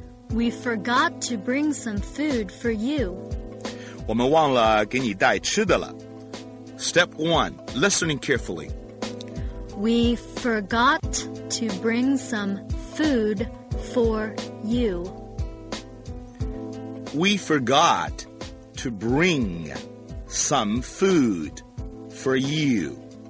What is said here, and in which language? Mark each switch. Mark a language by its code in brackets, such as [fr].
[en] We forgot to bring some food for you. [zh] 我们忘了给你带吃的了。 [en] Step 1, listening carefully. We forgot to bring some food for you. We forgot to bring some food for you.